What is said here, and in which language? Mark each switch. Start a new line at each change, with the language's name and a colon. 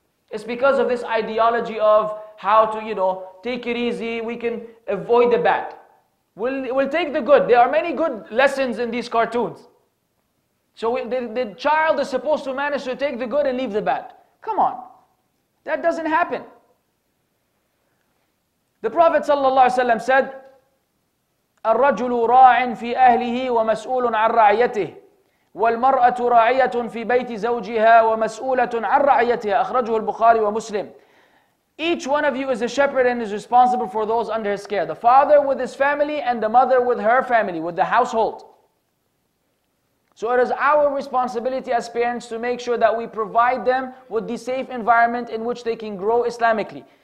English: It's because of this ideology of how to, you know, take it easy, we can avoid the bad. We'll take the good. There are many good lessons in these cartoons. So the child is supposed to manage to take the good and leave the bad. Come on. That doesn't happen. The Prophet ﷺ said,
Arabic: الرَّجُلُ رَاعٍ فِي أَهْلِهِ وَمَسْؤُولٌ عَنْ رَعِيَتِهِ وَالْمَرْأَةُ رَاعِيَةٌ فِي بَيْتِ زَوْجِهَا وَمَسْؤُولَةٌ عَنْ رَعِيَتِهَا أَخْرَجُهُ الْبُخَارِ وَمُسْلِمِ.
English: Each one of you is a shepherd and is responsible for those under his care. The father with his family and the mother with her family, with the household. So it is our responsibility as parents to make sure that we provide them with the safe environment in which they can grow Islamically.